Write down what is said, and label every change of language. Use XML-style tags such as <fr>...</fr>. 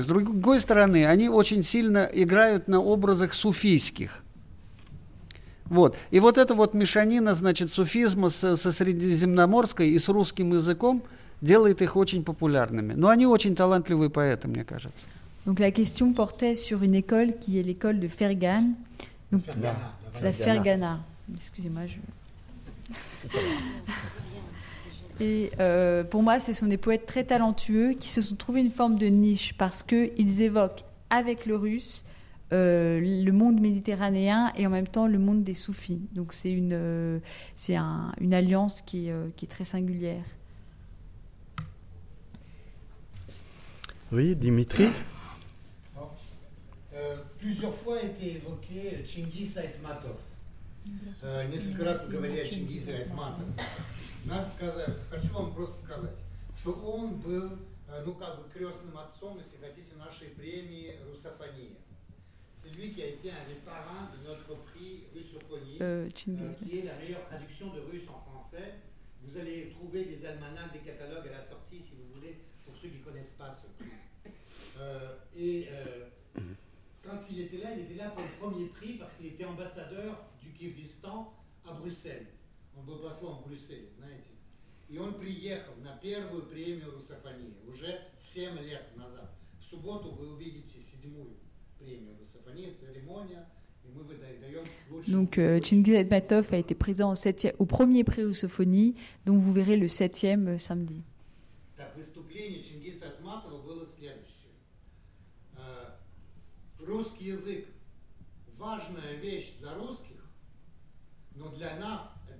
<ru>С другой стороны, они очень сильно играют на образах суфийских. Вот. И вот эта вот мешанина, значит, суфизма со средиземноморской и с русским языком делает их очень популярными. Но они очень талантливые поэты, мне кажется.</ru> <fr>Donc la question portait sur une école qui est l'école de Fergan. Donc, la Fergana. Excusez-moi, je... Et pour moi, ce sont des poètes très talentueux qui se sont trouvés une forme de niche parce qu'ils évoquent avec le russe le monde méditerranéen et en même temps le monde des soufis. Donc c'est une alliance qui est très singulière. Oui, Dimitri. Plusieurs fois a été évoqué Chingis Aitmatov.</fr> <ru>Несколько раз говорили о Чингисе Айтматове. Надо сказать, хочу вам просто сказать, что он был, ну, как бы, крестным отцом, если хотите, нашей премии «Русофония».</ru> <fr>C'est lui qui a été un des parrains de notre prix «Русофонии», qui est la meilleure traduction de russe en français. Vous allez trouver des almanachs, des catalogues à la sortie, si vous voulez, pour ceux qui ne connaissent pas ce prix. Quand il était là pour le premier prix parce qu'il était ambassadeur du Kyrgyzstan à Bruxelles.</fr> <ru>Он был послом в Брюсселе, знаете. И он приехал на первую премию «Русофонии» уже 7 лет назад. В субботу вы увидите 7-ю премию «Русофонии», церемония, и мы выдаем лучшую...</ru> <fr>Donc, Chingis Aitmatov a été présent au premier prix «Русофонии», donc vous verrez le 7e samedi.</fr> <ru>Так, выступление Чингиса Айтматова было следующее. Русский язык – важная вещь для русских, но для нас</ru>